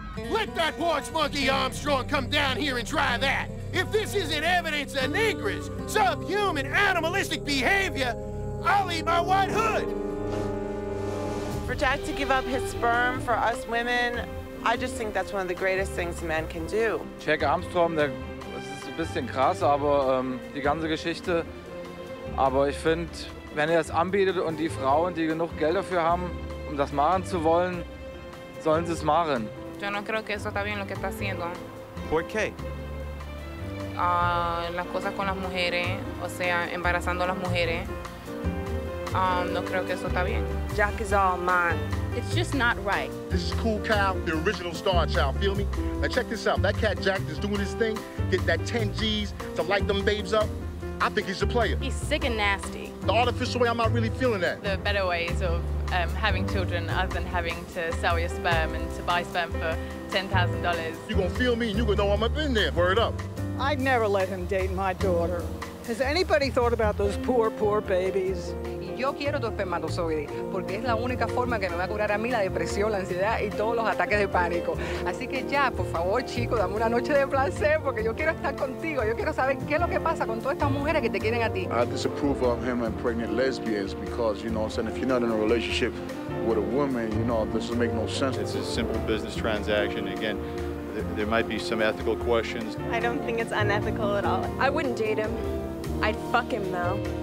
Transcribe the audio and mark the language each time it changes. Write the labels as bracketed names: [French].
[English] Let that porch monkey Armstrong come down here and try that. If this isn't evidence of Negris, subhuman, animalistic behavior, I'll eat my white hood. For Jack to give up his sperm for us women, I just think that's one of the greatest things a man can do. [German] Jack Armstrong, der, das ist ein bisschen krass, aber die ganze Geschichte. Aber ich finde, wenn er es anbietet und die Frauen, die genug Geld dafür haben, um das machen zu wollen, sollen sie es machen. [Spanish] Yo no creo que eso está bien lo que está haciendo. ¿Por qué? Las cosas con las mujeres, o sea, embarazando a las mujeres. No creo que eso está bien. [English] Jack is all mine. It's just not right. This is Cool Cal, the original Star Child, feel me? Now check this out, that cat Jack is doing his thing, getting that 10 G's to light them babes up. I think he's a player. He's sick and nasty. The artificial way, I'm not really feeling that. The better ways of having children other than having to sell your sperm and to buy sperm for $10,000. You gonna feel me and you gonna know I'm up in there. Word up. I'd never let him date my daughter. Has anybody thought about those poor, poor babies? [Spanish] Yo quiero tu espermatozoide porque es la única forma que me va a curar a mí la depresión, la ansiedad y todos los ataques de pánico. Así que ya, por favor, chico, dame una noche de placer porque yo quiero estar contigo. Yo quiero saber qué es lo que pasa con todas estas mujeres que te quieren a ti. [English] I disapprove of him and pregnant lesbians because, you know, if you're not in a relationship with a woman, you know, this doesn't make no sense. It's a simple business transaction. Again, there might be some ethical questions. I don't think it's unethical at all. I wouldn't date him. I'd fuck him, though.